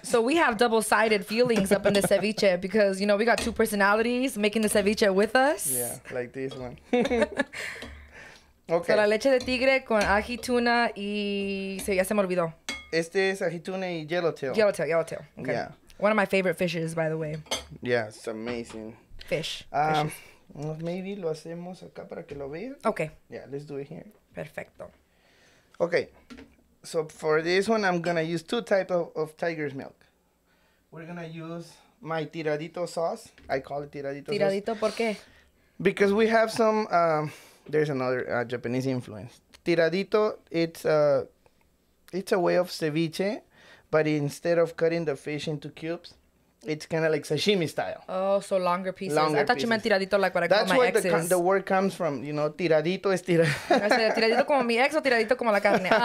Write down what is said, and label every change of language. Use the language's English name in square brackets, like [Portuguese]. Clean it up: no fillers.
[English] So we have double-sided feelings up in the ceviche because, you know, we got two personalities making the ceviche with us. Yeah, like this one. [Spanish] Okay. So la leche de tigre con ají tuna y... Sí, ya se me olvidó. Este es ají tuna y yellowtail. [English] Yellowtail. Okay. Yeah. One of my favorite fishes, by the way. Yeah, it's amazing. Fish. [Spanish] Maybe lo hacemos acá para que lo vean. [English] Okay. Yeah, let's do it here. [Spanish] Perfecto. [English] Okay. So for this one, I'm going to use two types of tiger's milk. We're going to use my tiradito sauce. I call it tiradito sauce. [Spanish] ¿Tiradito por qué? [English] Because we have some, there's another Japanese influence. Tiradito, it's a way of ceviche, but instead of cutting the fish into cubes, It's kind of like sashimi style. Oh, so longer pieces. Longer I thought pieces. You meant tiradito like what I call my exes. That's where the word comes from, you know, [Spanish] tiradito es tirado. Tiradito como mi ex o tiradito como la carne.